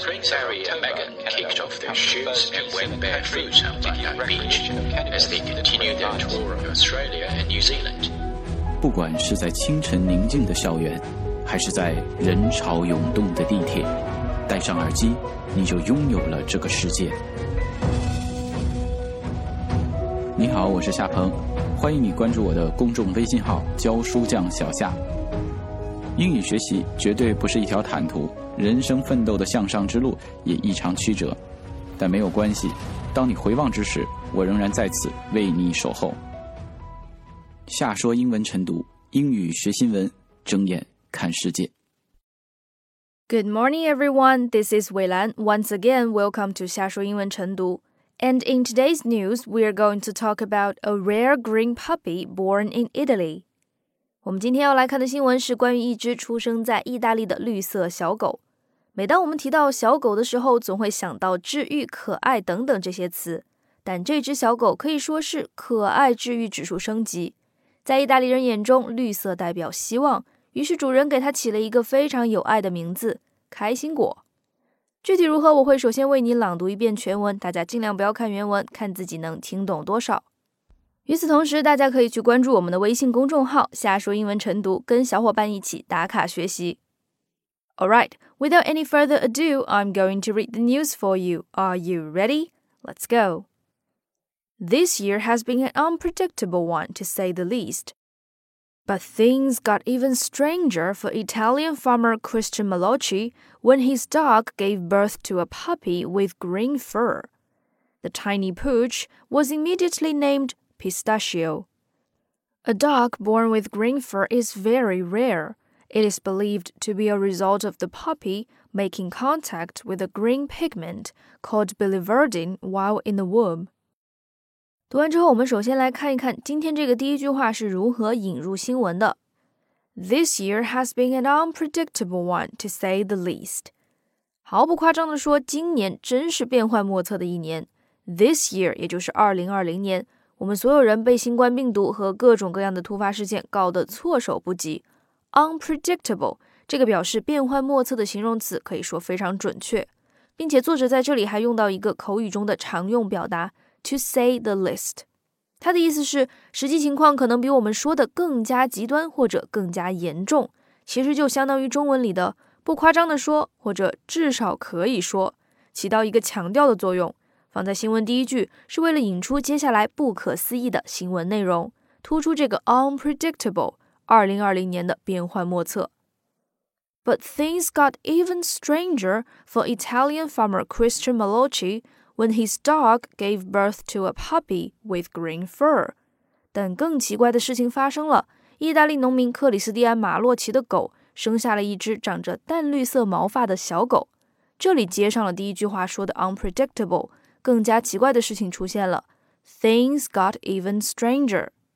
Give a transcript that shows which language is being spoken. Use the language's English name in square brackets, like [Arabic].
[English] of October, Megan kicked off their shoes and went barefoot on Bondi Beach as they continued their tour of Australia and New Zealand. [Chinese] 不管是在清晨宁静的校园，还是在人潮涌动的地铁，戴上耳机，你就拥有了这个世界。你好，我是夏鹏，欢迎你关注我的公众微信号“教书匠小夏”。英语学习绝对不是一条坦途，人生奋斗的向上之路也异常曲折，但没有关系，当你回望之时，我仍然在此为你守候。夏说英文晨读，英语学新闻，睁眼看世界。 [English] Good morning, everyone. This is Wei Lan. Once again, welcome to 夏说英文晨读。 And in today's news, we are going to talk about a rare green puppy born in Italy. [Chinese] 我们今天要来看的新闻是关于一只出生在意大利的绿色小狗。每当我们提到小狗的时候，总会想到治愈、可爱等等这些词。但这只小狗可以说是可爱治愈指数升级。在意大利人眼中，绿色代表希望，于是主人给它起了一个非常有爱的名字——开心果。具体如何，我会首先为你朗读一遍全文，大家尽量不要看原文，看自己能听懂多少。与此同时，大家可以去关注我们的微信公众号“瞎说英文晨读”，跟小伙伴一起打卡学习。 [English] All right, without any further ado, I'm going to read the news for you. Are you ready? Let's go. This year has been an unpredictable one, to say the least. But things got even stranger for Italian farmer Christian Malocci when his dog gave birth to a puppy with green fur. The tiny pooch was immediately named Pistachio. A dog born with green fur is very rare. It is believed to be a result of the puppy making contact with a green pigment called biliverdin while in the womb. [Chinese] 读完之后，我们首先来看一看今天这个第一句话是如何引入新闻的。 [English] This year has been an unpredictable one, to say the least. [Chinese] 毫不夸张地说，今年真是变幻莫测的一年。 [English] This year, [Chinese] 也就是2020年，我们所有人被新冠病毒和各种各样的突发事件搞得措手不及。 [English] Unpredictable, [Chinese] 这个表示变幻莫测的形容词可以说非常准确。并且作者在这里还用到一个口语中的常用表达。 [English] To say the least. [Chinese] 他的意思是实际情况可能比我们说的更加极端或者更加严重。其实就相当于中文里的不夸张的说或者至少可以说起到一个强调的作用。放在新闻第一句是为了引出接下来不可思议的新闻内容突出这个 unpredictable, 2020年的变幻莫测。 [English] But things got even stranger for Italian farmer Christian Malocci,when his dog gave birth to a puppy with green fur. [Chinese] 但更奇怪的事情发生了，意大利农民克里斯蒂安·马洛奇的狗生下了一只长着淡绿色毛发的小狗。这里接上了第一句话说的 unpredictable, 更加奇怪的事情出现了。 [English] Things got even stranger.